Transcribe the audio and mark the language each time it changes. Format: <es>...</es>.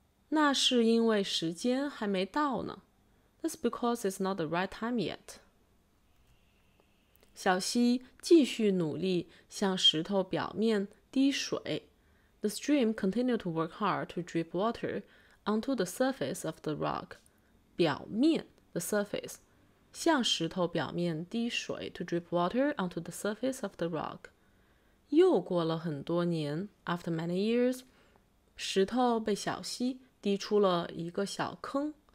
<zh>那是因为时间还没到呢。</zh> <en>That's because it's not the right time yet.</en> <zh>小溪继续努力向石头表面滴水。</zh> <en>The stream continued to work hard to drip water onto the surface of the rock. 表面 the surface.</en> <zh>向石头表面滴水</zh> <en>to drip water onto the surface of the rock.</en> <zh>又过了很多年</zh> <en>after many years,</en> <zh>石头被小溪滴出了一个小坑。</zh>